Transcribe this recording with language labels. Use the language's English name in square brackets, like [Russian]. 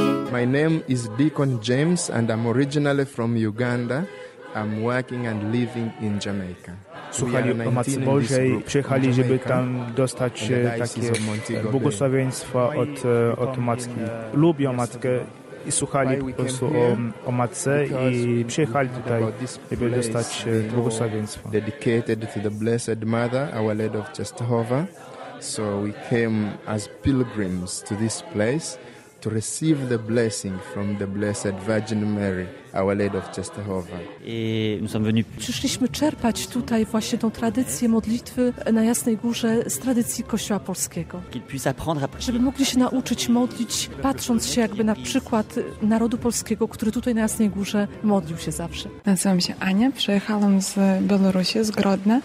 [English] My name is Deacon James and I'm originally from Uganda. I'm working and living in Jamaica. [Polish] Słuchali o Matce Bożej, przyjechali, żeby tam dostać takie błogosławieństwa od matki. Lubią matkę. I słuchali po prostu o matce i przyjechali tutaj, żeby dostać błogosławieństwo. [English] Dedicated to the Blessed Mother, Our Lady of Częstochowa. So we came as pilgrims to this place to receive the blessing from the Blessed Virgin Mary, Our Lady of Częstochowa. [Polish] Przyszliśmy czerpać tutaj właśnie tą tradycję modlitwy na Jasnej Górze z tradycji Kościoła Polskiego. Żeby mogli się nauczyć modlić, patrząc się jakby na przykład narodu polskiego, który tutaj na Jasnej Górze modlił się zawsze. Nazywam się Ania, przyjechałam z Białorusi, z Grodna.